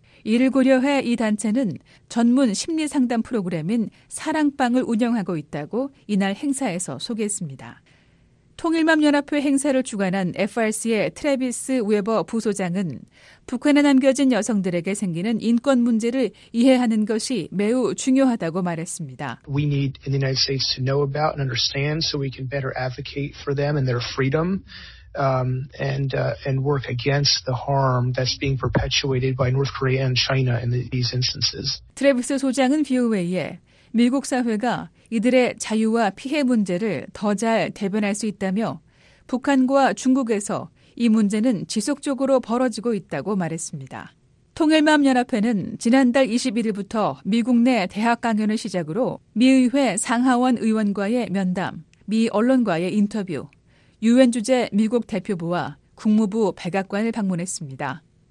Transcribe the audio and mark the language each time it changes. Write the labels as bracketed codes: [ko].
[ko] 이를 고려해 이 단체는 전문 심리 상담 프로그램인 사랑방을 운영하고 있다고 이날 행사에서 소개했습니다. 통일맘연합회 행사를 주관한 FRC의 트래비스 웨버 부소장은 북한에 남겨진 여성들에게 생기는 인권 문제를 이해하는 것이 매우 중요하다고 말했습니다. [en] We need in the United States to know about and understand so we can better advocate for them and their freedom and work against the harm that's being perpetuated by North Korea and China in these instances. [ko] 트래비스 소장은 VOA에 미국 사회가 이들의 자유와 피해 문제를 더 잘 대변할 수 있다며 북한과 중국에서 이 문제는 지속적으로 벌어지고 있다고 말했습니다. 통일맘연합회는 지난달 21일부터 미국 내 대학 강연을 시작으로 미의회 상하원 의원과의 면담, 미 언론과의 인터뷰, 유엔 주재 미국 대표부와 국무부 백악관을 방문했습니다.